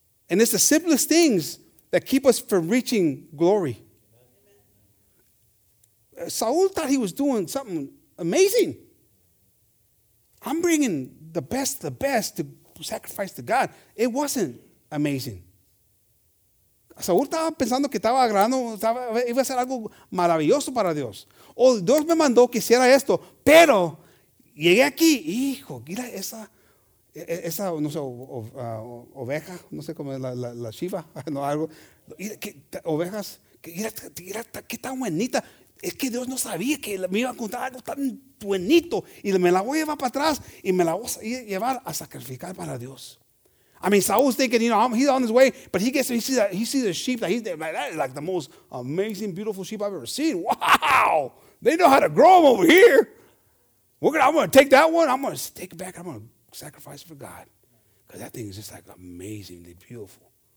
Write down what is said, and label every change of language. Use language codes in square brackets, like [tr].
[en] And it's the simplest things that keep us from reaching glory. Amen. Saul thought he was doing something amazing. I'm bringing the best to sacrifice to God. It wasn't amazing. [es] Saúl estaba pensando que estaba agradando, iba a ser algo maravilloso para Dios. O Dios me mandó que hiciera esto, pero llegué aquí, hijo, mira esa no sé, oveja, no sé cómo es, la shiva, no, algo. Ovejas, mira, qué tan buenita. Es que Dios no sabía que me iba a encontrar algo tan buenito. Y me la voy a llevar para atrás y me la voy a llevar a sacrificar para Dios. [en] I mean, Saul's thinking, you know, he's on his way, but he sees a sheep that he's there, like, that is like the most amazing, beautiful sheep I've ever seen. Wow! They know how to grow them over here. I'm going to take that one. I'm going to take it back. I'm going to sacrifice for God because that thing is just like amazingly beautiful.